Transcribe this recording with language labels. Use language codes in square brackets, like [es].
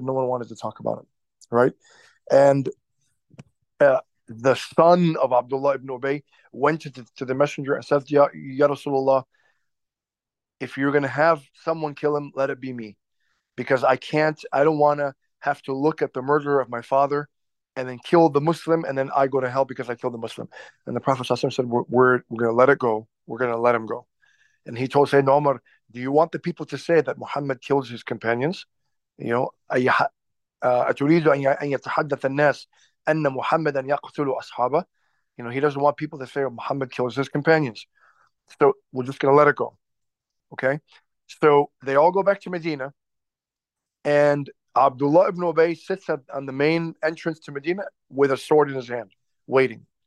[en] No one wanted to talk about it, right? And the son of Abdullah ibn Ubay went to the messenger and said, "Ya Rasulullah, if you're going to have someone kill him, let it be me, because I don't want to have to look at the murderer of my father and then kill the Muslim, and then I go to hell because I killed the Muslim." And the Prophet said, we're going to let it go. We're going to let him go. And he told Sayyidina Umar, "Do you want the people to say that Muhammad kills his companions? You know, [ar] أتريد أن يتحدث الناس أن محمدا يقتل أصحابه?" [en] You know, he doesn't want people to say Muhammad kills his companions. So we're just going to let it go. Okay. So they all go back to Medina. And Abdullah ibn Ubay sits on the main entrance to Medina with a sword in his hand, waiting.